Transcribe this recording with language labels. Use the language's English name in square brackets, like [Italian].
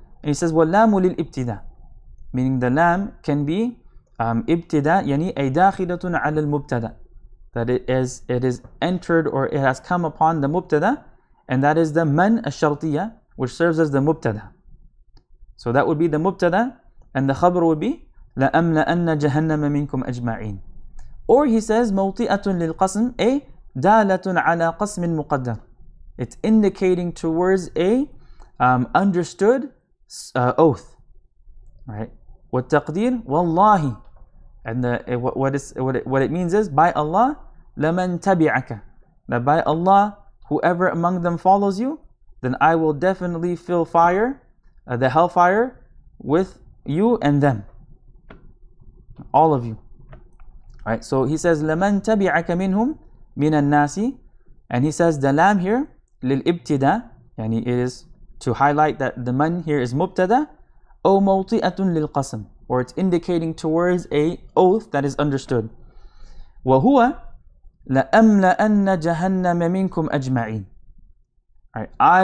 [English] And he says, [Arabic] وَاللَّامُ لِلْإِبْتِدَى, [English] meaning the lam can be ibtida, yani a dakhilatun ala al-mubtada, that it is entered or it has come upon the mubtada, and that is the man al-shartiyya, which serves as the mubtada. So that would be the mubtada, and the khabr would be [Arabic] لَأَمْلَأَنَّ جَهَنَّمَ مِنْكُمْ أَجْمَعِينَ. [English] Or he says, [Arabic] مَوْطِئَةٌ لِلْقَسْمِ, a دالة على قسم مقدر. [English] It's indicating towards a understood oath, right? [Arabic] والتقدير والله, [English] And what it means is, by Allah, [Arabic] لَمَنْ تَبِعَكَ. [English] That by Allah, whoever among them follows you, then I will definitely fill fire, the hellfire, with you and them. All of you. Right? So he says, [Arabic] لَمَنْ تَبِعَكَ مِنْهُمْ مِنَ النَّاسِ. [English] And he says, the lam here, لِلْإِبْتِدَى. يعني it is to highlight that the man here is مُبْتَدَى. [Arabic] أَوْ مَوْطِئَةٌ لِلْقَسَمْ. [English] Or it's indicating towards a oath that is understood. [Arabic] وَهُوَ لَأَمْلَأَنَّ جَهَنَّمَ مِنْكُمْ أَجْمَعِينَ. Right.